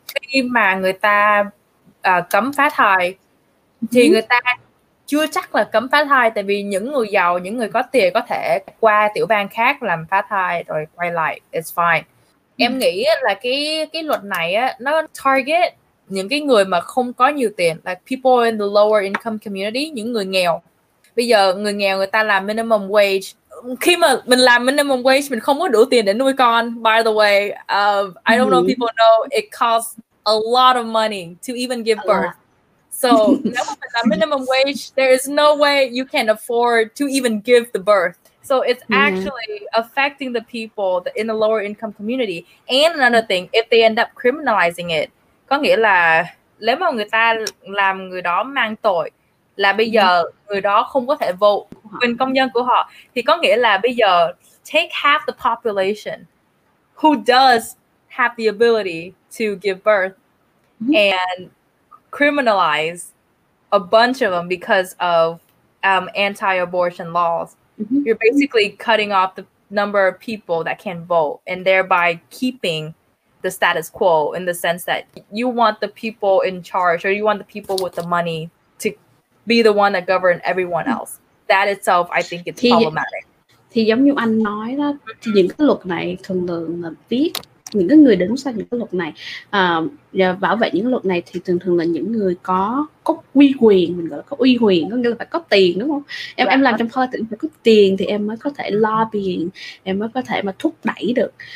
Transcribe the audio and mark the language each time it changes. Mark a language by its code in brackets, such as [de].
[vi] Khi mà người ta cấm phá thai thì người ta chưa chắc là cấm phá thai, tại vì những người giàu, những người có tiền có thể qua tiểu bang khác làm phá thai rồi quay lại, [en] it's fine. [vi] Em nghĩ là cái luật này á, nó target những cái người mà không có nhiều tiền, [en] like people in the lower income community, [vi] những người nghèo. Bây giờ người nghèo người ta làm minimum wage. Khi mà mình làm minimum wage, mình không có đủ tiền để nuôi con. [en] By the way, I don't know if people know, it costs a lot of money to even give birth. So [vi] nếu mà mình làm [en] minimum wage, there is no way you can afford to even give the birth. So it's actually affecting the people in the lower income community. And another thing, if they end up criminalizing it, [vi] có nghĩa là nếu mà người ta làm người đó mang tội, là bây giờ người đó không có thể vote, quyền công dân của họ, thì có nghĩa là bây giờ [en] take half the population who does have the ability to give birth and criminalize a bunch of them because of anti-abortion laws. You're basically cutting off the number of people that can vote and thereby keeping the status quo, in the sense that you want the people in charge, or you want the people with the money to be the one that govern everyone else. That itself, I think it's problematic. [vi] Thì giống như anh nói đó, thì những cái luật này thường thường là biết những cái người đứng sau những cái luật này bảo vệ những luật này thì thường thường là những người có uy quyền, mình gọi là có uy quyền, có nghĩa là phải có tiền đúng không? Em làm trong politics thì phải có tiền thì em mới có thể lobbying, em mới có thể mà thúc đẩy được.